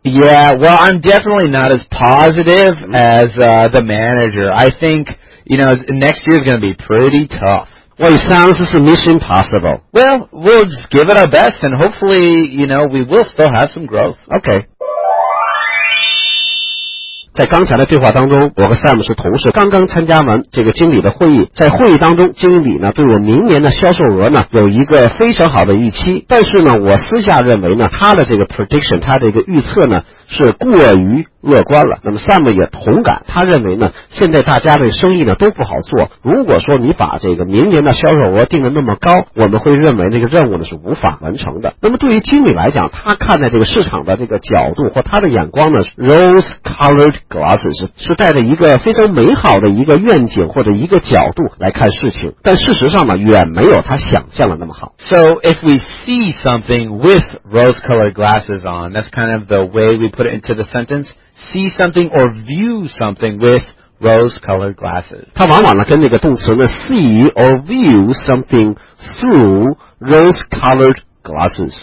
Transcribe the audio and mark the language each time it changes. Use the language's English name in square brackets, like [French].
[English] Yeah, well, I'm definitely not as positive mm-hmm. as the manager. I think, you know, next year is going to be pretty tough. Well, it sounds as a mission possible. Well, we'll just give it our best, and hopefully, you know, we will still have some growth. Okay. [Chinese] 在刚才的对话当中，我和 Sam 是同事，刚刚参加完这个经理的会议。在会议当中，经理呢对我明年的销售额呢有一个非常好的预期，但是呢，我私下认为呢，他的这个 prediction， 他的一个预测呢是过于乐观了。那么 Sam 也同感，他认为呢，现在大家的生意呢都不好做。如果说你把这个明年的销售额定得那么高，我们会认为那个任务呢是无法完成的。那么对于经理来讲，他看待这个市场的这个角度或他的眼光呢 ， [English] rose colored glasses [Chinese] 是带着一个非常美好的一个愿景或者一个角度来看事情。但事实上呢，远没有他想象的那么好。 [English] So if we see something with rose colored glasses on, that's kind of the way we put it into the sentence. See something or view something with rose-colored glasses. [Chinese] 它往往呢跟那个动词呢 [English] see or view something through rose-colored glasses.